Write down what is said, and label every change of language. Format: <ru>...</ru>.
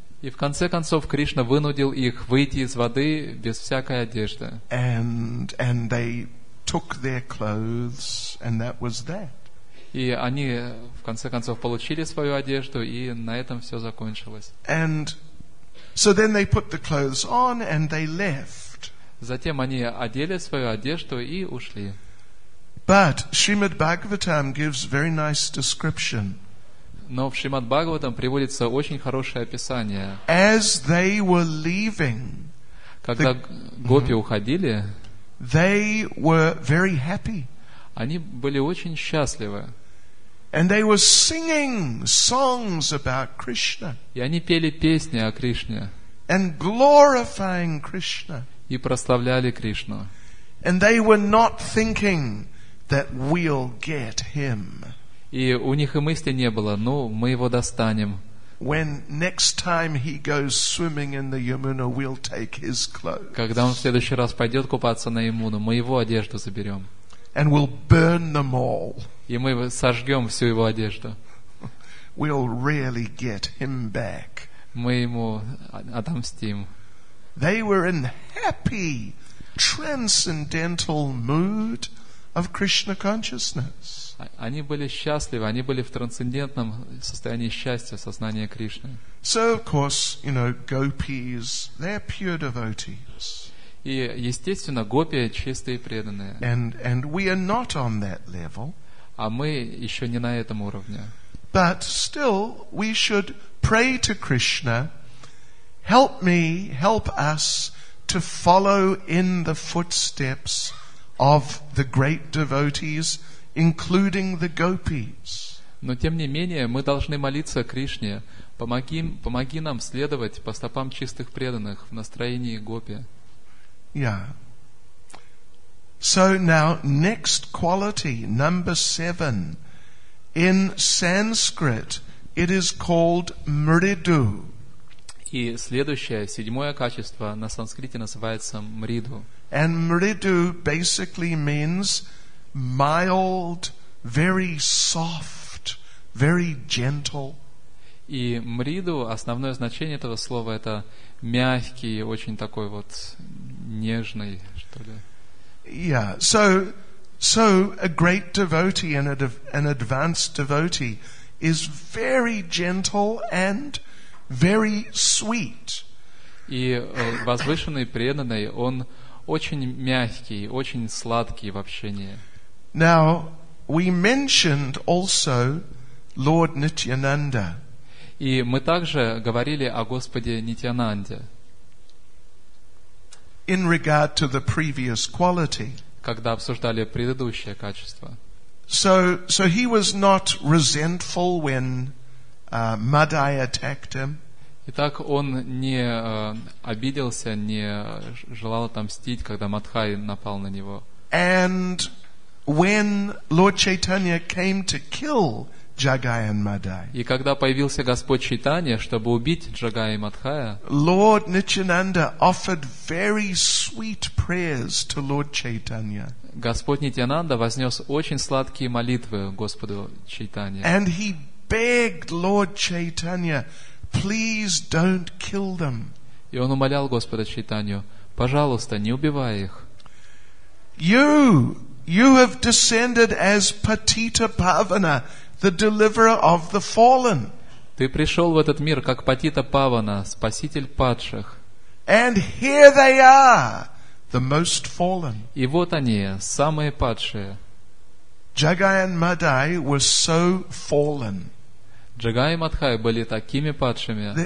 <ru>И в конце концов Кришна вынудил их выйти из воды без всякой одежды.</ru> <en>And they took their clothes, and that was that.</en> <ru>И они в конце концов получили свою одежду, и на этом все закончилось.</ru> <en>And so then they put the clothes on and they left.</en> <ru>Затем они одели свою одежду и ушли.</ru> <en>But Srimad Bhagavatam gives very nice description.</en> <ru>Но в Шримад Бхагаватам приводится очень хорошее описание.</ru> <en>As they were leaving,</en> <ru>когда гопи уходили,</ru> <en>they were very happy.</en> <ru>Они были очень счастливы.</ru> <en>And they were singing songs about Krishna.</en> <ru>И они пели песни о Кришне.</ru> <en>And glorifying Krishna.</en> <ru>И прославляли Кришну.</ru> <en>And they were not thinking that we'll get him.</en> <ru>И у них и мысли не было: ну, мы его достанем.</ru> <en>When next time he goes swimming in the Yamuna, we'll take his clothes.</en> <ru>Когда он в следующий раз пойдет купаться на Ямуну, мы его одежду заберем.</ru> <en>And we'll burn them all.</en> <ru>И мы сожжем всю его одежду.</ru> <en>We'll really get him back.</en> <ru>Мы ему отомстим.</ru> <en>They were in happy, transcendental mood of Krishna consciousness.</en> <ru>Они были счастливы, они были в трансцендентном состоянии счастья, сознания Кришны.</ru> <en>So, of course, you know, gopis, they're pure devotees.</en> <ru>И, естественно, гопи чистые и преданные.</ru> <en>And we are not on that level.</en> <ru>А мы еще не на этом уровне.</ru> <en>But still, we should pray to Krishna, help me, help us to follow in the footsteps of the great devotees, including the gopis.</en> <ru>Но тем не менее, мы должны молиться Кришне, помоги нам следовать по стопам чистых преданных в настроении гопи.</ru> <en>Yeah. So now, next quality, number 7. In Sanskrit, it is called mridu.</en> <ru>И следующее, седьмое качество на санскрите называется мриду.</ru> <en>And mridu basically means mild, very soft, very gentle.</en> <ru>И мриду, основное значение этого слова, это мягкий, очень такой вот нежный, что ли.</ru> <en>Yeah, so a great devotee and an advanced devotee is very gentle and very sweet.</en> <ru>И возвышенный преданный, он очень мягкий, очень сладкий в общении.</ru> <en>Now, we mentioned also Lord Nityananda.</en> <ru>И мы также говорили о Господе Нитьянанде.</ru> <en>In regard to the previous quality.</en> <ru>Когда обсуждали предыдущее качество.</ru> <en>So he was not resentful when Madai attacked him.</en> <ru>Итак, он не обиделся, не желал отомстить, когда Мадхай напал на него.</ru> <en>And when Lord Chaitanya came to kill Jagayan Madai.</en> <ru>И когда появился Господь Чайтанья, чтобы убить Джагая и Мадхая,</ru> <en>Lord Nityananda offered very sweet prayers to Lord Chaitanya.</en> <ru>Господь Нитьянанда вознес очень сладкие молитвы Господу Чайтанье.</ru> <en>And he begged Lord Chaitanya, please don't kill them.</en> <ru>И он умолял Господа Чайтанью, пожалуйста, не убивай их.</ru> <en>You have descended as Patita Pavana, the deliverer of the fallen.</en> <ru>Ты пришел в этот мир как Патита Павана, спаситель падших.</ru> <en>And here they are, the most fallen.</en> <ru>И вот они, самые падшие.</ru> <en>Jagayan Madai was so fallen.</en> <ru>Джагай и Мадхай были такими падшими.</ru>